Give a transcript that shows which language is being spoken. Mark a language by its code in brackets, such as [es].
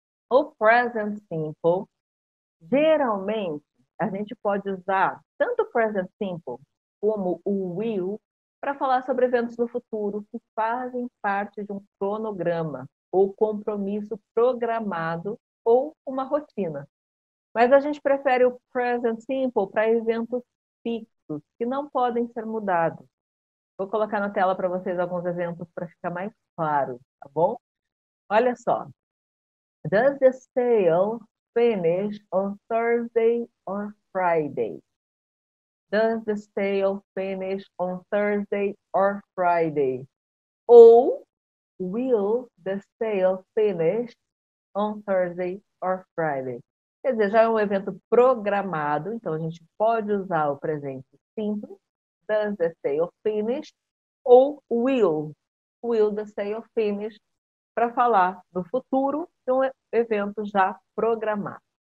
[pt] O present simple, geralmente, a gente pode usar tanto o present simple como o will para falar sobre eventos do futuro que fazem parte de um cronograma ou compromisso programado ou uma rotina. Mas a gente prefere o present simple para eventos fixos, que não podem ser mudados. Vou colocar na tela para vocês alguns exemplos para ficar mais claro, tá bom? Olha só. [en] Does the sale finish on Thursday or Friday? Does the sale finish on Thursday or Friday? [pt] Ou [en] will the sale finish on Thursday or Friday? [pt] Quer dizer, já é um evento programado, então a gente pode usar o presente simples. [en] Does the sale finish? [pt] Ou [en] will the sale finish? [pt] Para falar do futuro de um evento já programado.